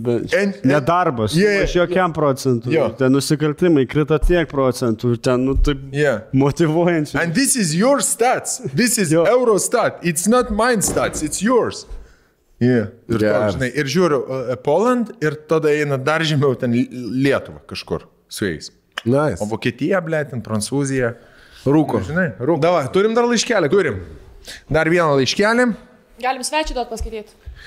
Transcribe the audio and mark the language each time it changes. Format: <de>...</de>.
<lt>Ten nedarbas, aš jokiam procentu, jo. Ten nusikaltimai krita tiek procentų, ten nu, taip motivuojančiai.</lt> <en>And this is your stats, this is jo. Eurostat, it's not mine stats, it's yours. Yeah.</en> <lt>Ir žiūriu, Poland ir tada eina dar žemiau ten Lietuva kažkur su jais.</lt> <en>Nice.</en> <lt>O Vokietija, blėt, ten Prancūzija. Rūko. Žinai, rūko. Davai, turim dar laiškelį. Turim. Dar vieną laiškelį. Galim svečiu duot paskaityti.</lt>